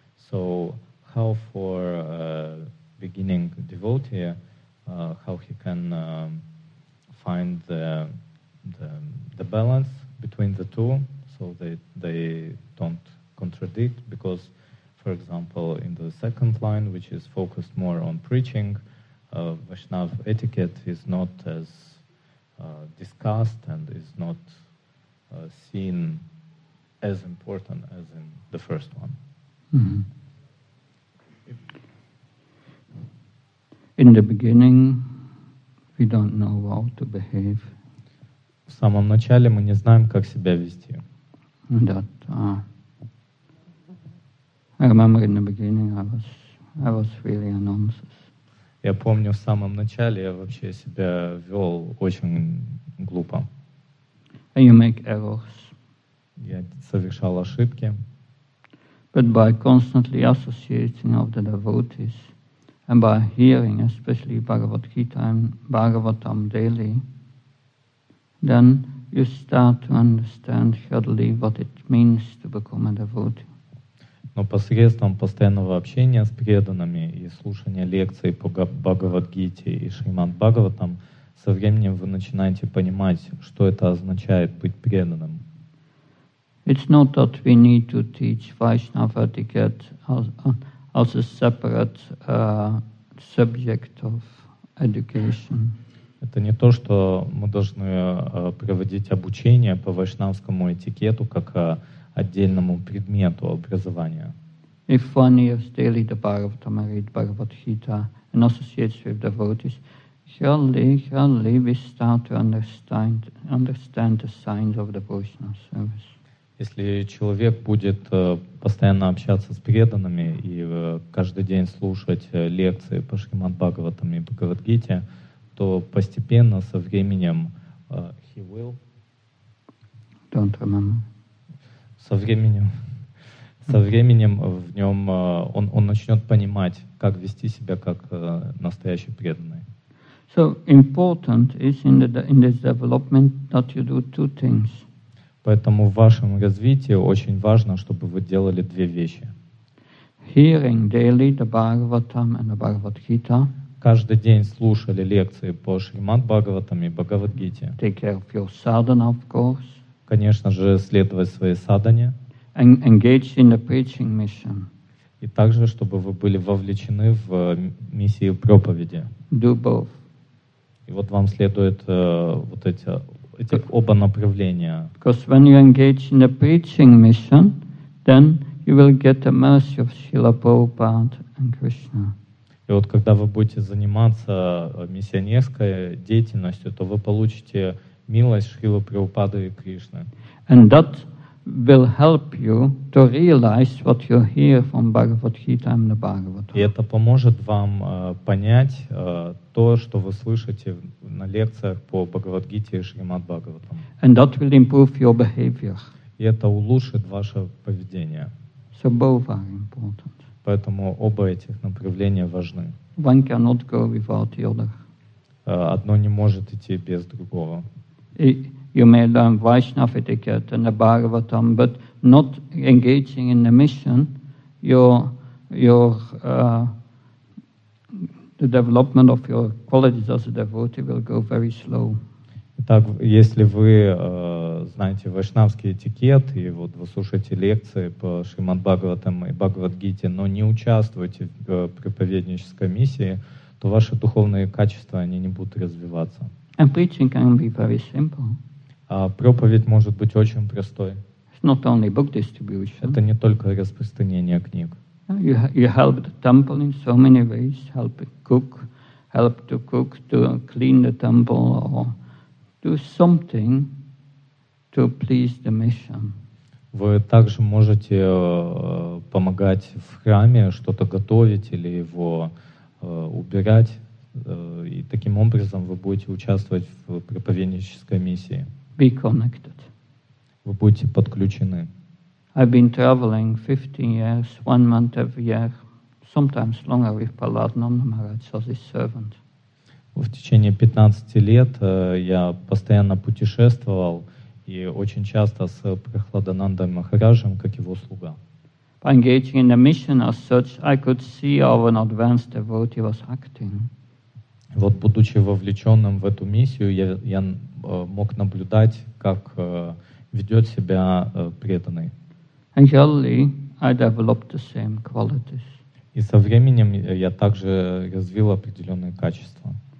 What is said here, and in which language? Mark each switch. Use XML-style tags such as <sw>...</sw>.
<en>So how for beginning devotee, how he can find the balance between the two, so they don't contradict, because, for example, in the second line, which is focused more on preaching, Vaishnav etiquette is not as discussed and is not seen as important as in the first one. Mm-hmm. In the beginning, we don't know how to behave.</en> <ru>В самом начале мы не знаем, как себя вести.</ru> <en>That, I remember in the beginning I was really a nonsense.</en> <ru>Я помню, в самом начале я вообще себя вел очень глупо.</ru> <en>And you make errors.</en> <ru>Я совершал ошибки.</ru> <en>But by constantly associating of the devotees and by hearing especially Bhagavad Gita and Bhagavatam daily, then you start to understand surely what it means to become a devotee.</en> <ru>Но посредством постоянного общения с преданными и слушания лекций по Бхагавад-гите и Шримад-Бхагаватам, со временем вы начинаете понимать, что это означает быть преданным.</ru> <en>It's not that we need to teach Vaishnava etiquette as a separate subject of education.</en> <ru>Это не то, что мы должны проводить обучение по вайшнавскому этикету как отдельному предмету образования.</ru> <en>If one hears daily the Bhagavatam, read Bhagavad Gita, and associates with devotees, surely we start to understand the signs of devotional service.</en> <ru>Если человек будет постоянно общаться с преданными и каждый день слушать лекции по Шримад Бхагаватам и Бхагавад Гите, то постепенно со временем</ru> <en>he will don't remember.</en> <ru>Со временем в нем он начнет понимать, как вести себя как настоящий преданный.</ru> <en>So important is in this development that you do two things.</en> <ru>Поэтому в вашем развитии очень важно, чтобы вы делали две вещи.</ru> <en>Hearing daily the Bhagavatam and the Bhagavad Gita.</en> <ru>Каждый день слушали лекции по Шримад Бхагаватам и Бхагавад Гите.</ru> <en>Take care of your sadhana, of course.</en> <ru>Конечно же, следовать своей садхане.</ru> <en>Engage in the preaching mission.</en> <ru>И также, чтобы вы были вовлечены в миссию проповеди.</ru> <en>Do both.</en> <ru>И вот вам следует вот эти оба направления.</ru> <en>Because when you engage in the preaching mission, then you will get the mercy of Srila Prabhupada and Krishna.</en> <ru>И вот когда вы будете заниматься миссионерской деятельностью, то вы получите милость Шрилы Прабхупады и Кришны.</ru> <en>And that will help you to realize what you hear from Bhagavad Gita and the Bhagavatam.</en> <ru>И это поможет вам понять то, что вы слышите на лекциях по Бхагавад Гите и Шримад Бхагаватам.</ru> <en>And that will improve your behavior.</en> <ru>И это улучшит ваше поведение.</ru> <en>So both are important.</en> <ru>Поэтому оба этих направления важны.</ru> <en>One cannot go without the other.</en> <ru>Одно не может идти без другого.</ru> <en>You may learn Vaishnava etiquette and the Bhagavatam, but not engaging in the mission, the development of your qualities as a devotee will go very slow.</en> <ru>Итак, если вы знаете вайшнавский этикет и вот вы слушаете лекции по Шримад Бхагаватам и Бхагавад Гите, но не участвуете в проповеднической миссии, то ваши духовные качества они не будут развиваться.</ru> <en>And preaching can be very simple.</en> <ru>А проповедь может быть очень простой.</ru> <en>It's not only book distribution.</en> <ru>Это не только распространение книг.</ru> <en>You help the temple in so many ways. Help to cook, to clean the temple, or do something to please the mission.</en> <ru>Вы также можете помогать в храме, что-то готовить или его убирать, И таким образом вы будете участвовать в проповеднической миссии.</ru> <en>Be connected.</en> <ru>Вы будете подключены.</ru> <en>I've been traveling 15 years, one month every year, sometimes longer with Paladnam Maharaj as his servant.</en> <ru>В течение 15 лет я постоянно путешествовал и очень часто с Прахладанандой Махараджем как его слуга.</ru> <en>By engaging in the mission as such, I could see how an advanced devotee was acting.</en> <ru>Вот, будучи вовлеченным в эту миссию, я мог наблюдать, как ведет себя преданный.</ru> <en>And gradually, I developed the same qualities.</en> <ru>И со временем я также развил определенные качества.</ru>